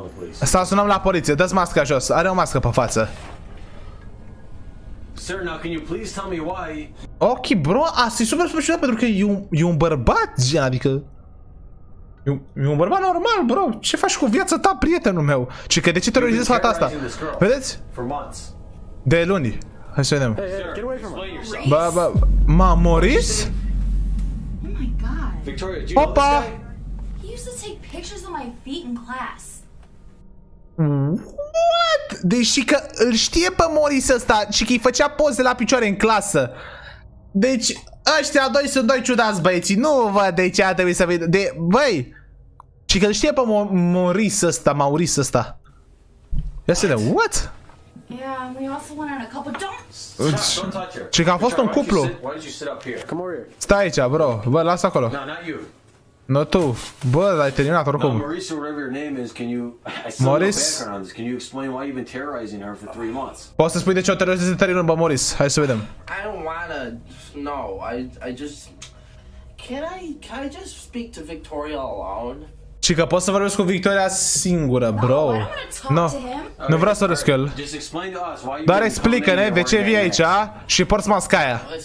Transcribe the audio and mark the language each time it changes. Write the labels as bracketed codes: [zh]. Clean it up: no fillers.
[ro] Să sunăm la poliție, dă-ți masca jos, are o mască pe față. [en] Sir, now can you please tell me why? [ro] Ok, bro, asta e super super ciudat pentru că e un bărbat, gen, adică e un bărbat normal, bro. Ce faci cu viața ta, prietenul meu? Ce că de ce terorizezi fata asta? Vedeți? De luni. Hai să vedem. Ba, ma Morris? [en] Oh my god. Victoria, do you know this guy? He used to take pictures of my feet in class. What? [ro] Deși că îl știe pe Morris ăsta și că îi făcea poze la picioare în clasă. Deci, ăștia doi sunt doi ciudați băieții. Nu văd de ce a trebuit să vedem. De, băi. Și că știe pe Maurice ăsta, Maurice ăsta. Ia să vedem. [en] What? Yeah, we also went on a couple jumps. [ro] Ce că a fost un cuplu. Stai aici, bro. Bă, lasă acolo. [en] No, not you. Not [ro] tu. Bă, l-ai terminat oricum. [en] No, Maurice, whatever your name is, can you... Maurice? Can you explain why you've been terrorizing her for 3 months? [ro] Poți să spui de ce o terorizezi de 3 luni, bă, Maurice? Hai să vedem. [en] I don't wanna... No, I just... Can I just speak to Victoria alone? [ro] Și că poți să vorbesc cu Victoria singură, bro. [en] No, no. [ro] Nu vreau să vorbesc cu el. Dar explică-ne de ce vii aici și porți masca aia.